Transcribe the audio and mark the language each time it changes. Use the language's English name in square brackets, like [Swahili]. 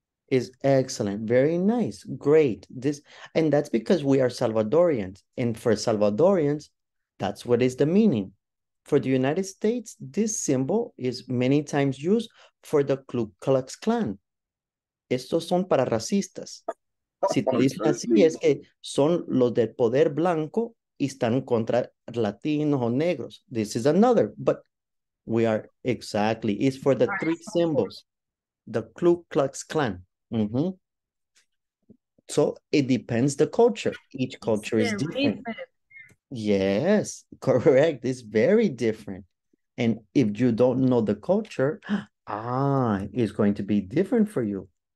[English] Is excellent. Very nice. Great. This, and that's because we are Salvadorians. And for Salvadorians, that's what is the meaning. For the United States, this symbol is many times used for the Ku Klux Klan. [Spanish] Estos son para racistas. Si te dicen así, es que son los del poder blanco y están contra latinos o negros. [English] This is another, but we are exactly. It's for the three symbols, the Ku Klux Klan. Mm-hmm. So it depends the culture. Each culture is different. Yes, correct. It's very different. And if you don't know the culture, it's going to be different for you.